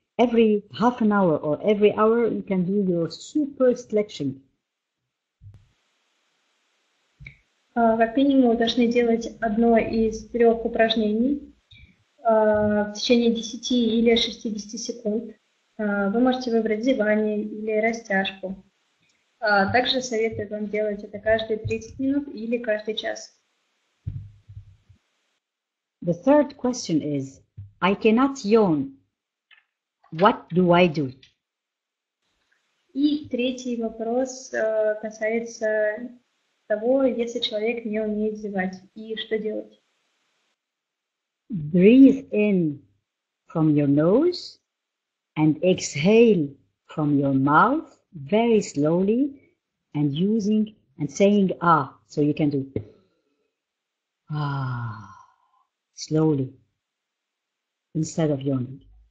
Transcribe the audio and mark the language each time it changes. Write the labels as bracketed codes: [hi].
[en] Every half an hour or every hour, you can do your super stretching. [ru] Как минимум, вы должны делать одно из трех упражнений в течение 10 или 60 секунд. Вы можете выбрать зевание или растяжку. Также советую вам делать это каждые 30 минут или каждый час. [en] The third question is, I cannot yawn. What do I do? [ru] И третий вопрос касается того, если человек не умеет зевать, и что делать? [en] Breathe in from your nose and exhale from your mouth very slowly and using and saying ah, so you can do ah slowly instead of yawning.